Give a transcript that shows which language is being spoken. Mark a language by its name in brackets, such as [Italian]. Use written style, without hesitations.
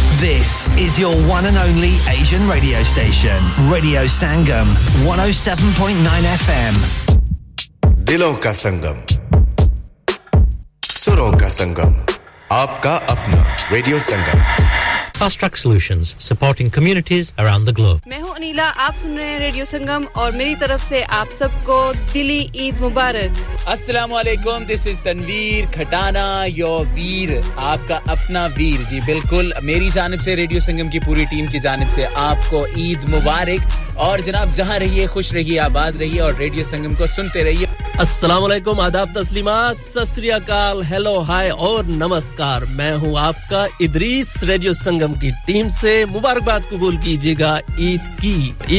[English] This is your one and only Asian radio station. Radio Sangam, 107.9 FM. [Hindi] Dilon ka Sangam. Suron ka Sangam. Aapka apna Radio Sangam. [English] Fast Track Solutions, supporting communities around the globe. [Hindi] मैं हूँ अनीला, आप सुन रहे हैं radio संगम और मेरी तरफ से आप सबको दिली ईद मुबारक. [English] Assalamualaikum, this is Tanveer Khatana, your veer, [Hindi] आपका अपना [English] veer. [Hindi] जी बिल्कुल, मेरी जानिब से रेडियो संगम की पूरी टीम की जानिब से आपको ईद मुबारक और जनाब जहाँ रहिए खुश रहिए आबाद रहिए और रेडियो संगम को सुनते रहिए. Assalamualaikum, आदाब तस्लीमा, सत श्री अकाल, हेलो हाय और नमस्कार. मैं हूँ आपका इदरीस, रेडियो संगम की टीम से मुबारकबाद कबूल कीजिएगा ईद की.